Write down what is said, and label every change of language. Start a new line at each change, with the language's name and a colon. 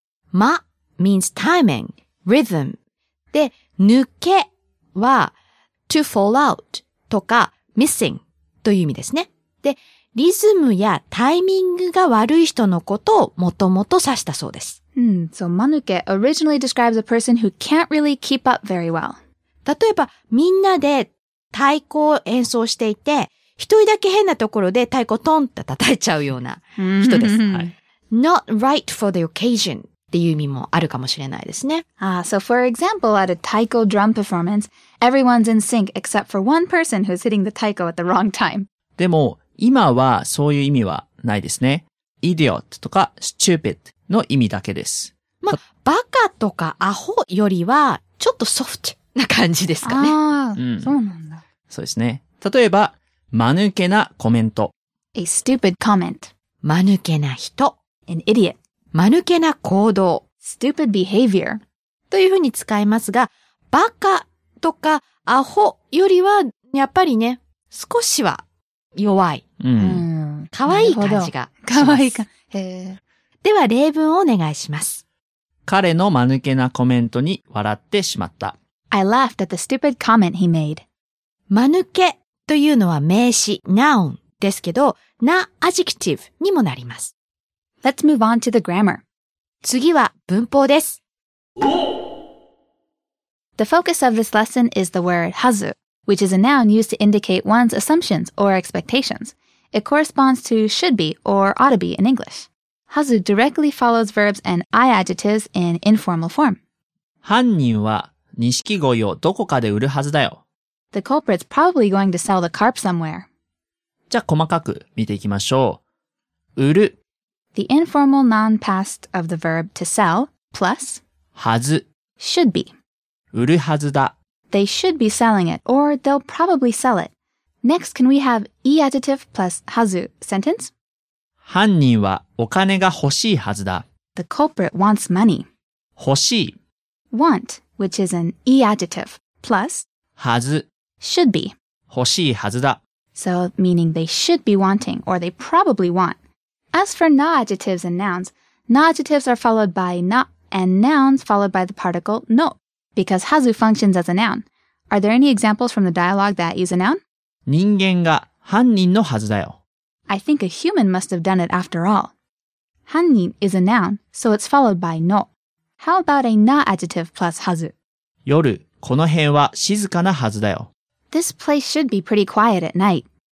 Japanese: ま
English: means timing, rhythm.
Japanese: で、抜けは
English: to fall out
Japanese: とか missing という意味ですね。で、リズムやタイミングが悪い人のことをもともと指したそうです。
English: So, マヌケ originally describes a person who can't really keep up very well.
Japanese: 例えば、みんなで太鼓を演奏していて、一人だけ変なところで太鼓トンって叩いちゃうような人です。はい、
English: Not right for the occasion
Japanese: っていう意味もあるかもしれないですね。
English: So for example, at a taiko drum performance, everyone's in sync except for one person who's hitting the taiko at the wrong time.
Japanese: でも、今はそういう意味はないですね。 idiot とか stupid の意味だけです。まあ、バカとかアホよりは、ちょっとソフトな感じですかね。そうなんだ。そうですね。例えば、まぬけなコメント。
English: a stupid comment.
Japanese: まぬけな人。
English: an idiot.
Japanese: まぬけな行動。
English: stupid behavior.
Japanese: というふうに使いますが、バカとかアホよりは、やっぱりね、少しは、弱い。かわいい感じが。かわいいか。では、例文をお願いします。彼のまぬけなコメントに笑ってしまった。
English: I laughed at the stupid comment he made.
Japanese: まぬけというのは名詞、noun ですけど、な adjective にもなります。
English: Let's move on to the grammar.
Japanese: 次は文法です。
English: The focus of this lesson is the word hazu, which is a noun used to indicate one's assumptions or expectations. It corresponds to should be or ought to be in English. Hazu directly follows verbs and I adjectives in informal form.
Japanese: 犯人は錦鯉をどこかで売るはずだよ。
English: The culprit's probably going to sell the carp somewhere.
Japanese: じゃあ細かく見ていきましょう。売る。
English: The informal non-past of the verb to sell plus
Japanese: はず
English: should be
Japanese: 売るはずだ
English: They should be selling it or they'll probably sell it. Next, can we have e adjective plus はず sentence?
Japanese: 犯人はお金が欲しいはずだ
English: The culprit wants money.
Japanese: 欲しい
English: want, which is an e adjective plus
Japanese: はず
English: should be
Japanese: 欲しいはずだ
English: So, meaning they should be wanting or they probably want. As for na adjectives and nouns, na adjectives are followed by na and nouns followed by the particle no, because hazu functions as a noun. Are there any examples from the dialogue that use a noun?
Japanese: 人間が犯人のはずだよ。
English: I think a human must have done it after all. 犯人 is a noun, so it's followed by no. How about a na adjective plus hazu?
Japanese: 夜、この辺は静かなはずだよ。
English: This place should be pretty quiet at night.